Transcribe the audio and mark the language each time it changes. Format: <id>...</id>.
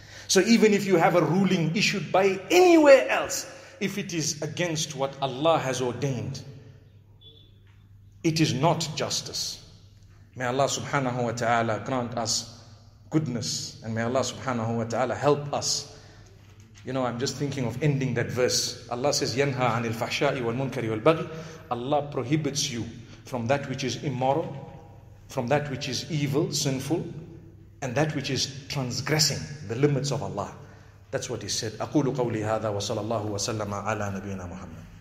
<en>So even if you have a ruling issued by anywhere else, if it is against what Allah has ordained, it is not justice. May Allah subhanahu wa ta'ala grant us goodness. And may Allah subhanahu wa ta'ala help us. You know, I'm just thinking of ending that verse. Allah says,</en> <ar>يَنْهَى عَنِ الْفَحْشَاءِ وَالْمُنْكَرِ وَالْبَغِيِ.</ar> <en>Allah prohibits you from that which is immoral, from that which is evil, sinful, and that which is transgressing the limits of Allah. That's what He said.</en> <ar>أَقُولُ قَوْلِ هَذَا وَصَلَى اللَّهُ وَسَلَّمَ عَلَى نَبِيِّنَا مُحَمَّدٍ.</ar>